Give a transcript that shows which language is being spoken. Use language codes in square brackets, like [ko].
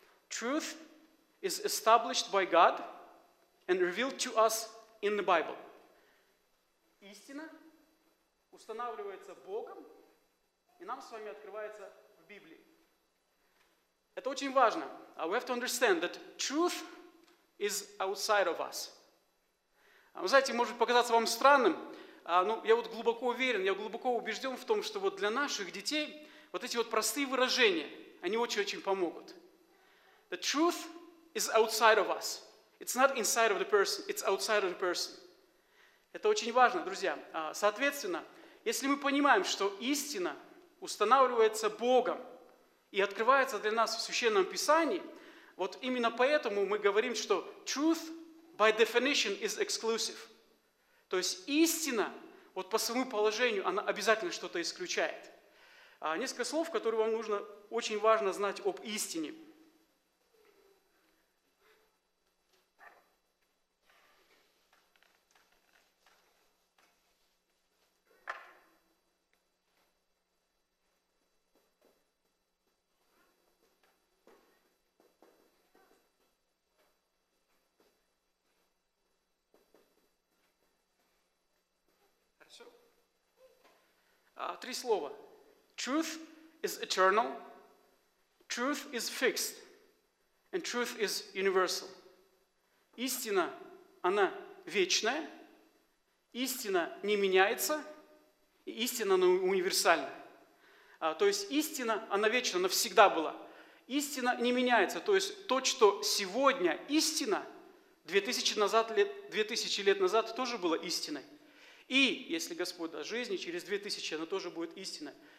[en] Truth is established by God and revealed to us in the Bible. [ru] Истина устанавливается Богом, и нам с вами открывается в Библии. Это очень важно. [en] We have to understand that truth is outside of us. [ru] Вы знаете, может показаться вам странным, но я вот глубоко уверен, я глубоко убежден в том, что вот для наших детей вот эти вот простые выражения, они очень-очень помогут. [en] The truth is outside of us. It's not inside of the person, it's outside of the person. [ru] Это очень важно, друзья. Соответственно, если мы понимаем, что истина устанавливается Богом и открывается для нас в Священном Писании, вот именно поэтому мы говорим, что [en] truth by definition is exclusive. [ru] То есть истина, вот по своему положению, она обязательно что-то исключает. Несколько слов, которые вам нужно очень важно знать об истине. Три слова. [en] Truth is eternal, truth is fixed, and truth is universal. [ru] Истина, она вечная, истина не меняется, и истина, она универсальна. То есть истина, она вечна, она всегда была. Истина не меняется, то есть то, что сегодня истина, 2000 лет назад тоже была истиной. И, если Господь даст жизнь, через 2000 она тоже будет истиной.